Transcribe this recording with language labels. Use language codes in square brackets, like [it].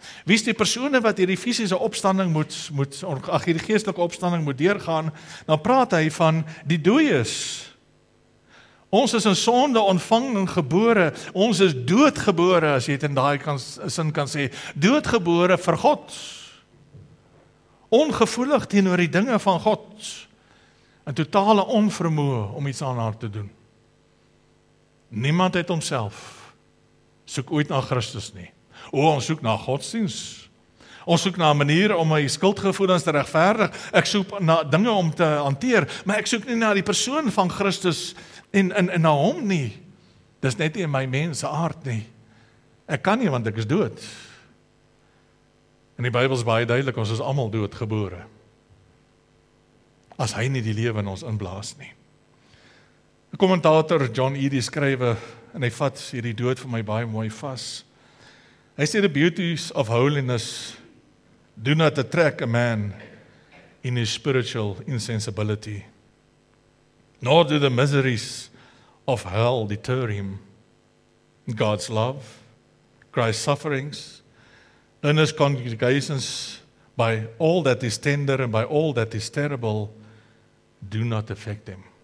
[af] Wie is die persone wat hierdie fysische opstanding hierdie geestelike opstanding moet deurgaan, dan praat hy van die dooies. Ons is in sonde ontvang en gebore, ons is doodgebore, as jy het in daai sin kan sê, doodgebore vir God. Ongevoelig teenoor die dinge van God, en totale onvermoë om iets aan haar te doen. Niemand het homself, soek ooit na Christus nie. O, ons soek na godsdiens. Ons soek na maniere om my skuldgevoelens te regverdig. Ek soek na dinge om te hanteer, maar ek soek nie na die persoon van Christus en na hom nie. Dis net nie in my mense aard nie. Ek kan nie, want ek is dood. En die Bybel is baie duidelik, ons is allemaal doodgebore. As hy nie die lewe in ons inblaas nie. Die kommentator John E. die skrywe, en hy vat hierdie dood vir my baie mooi vas. Hy sê, [en] the beauties of holiness do not attract a man in his spiritual insensibility, nor do the miseries of hell deter him. God's love, Christ's sufferings, and his congregations, by all that is tender and by all that is terrible, do not affect him.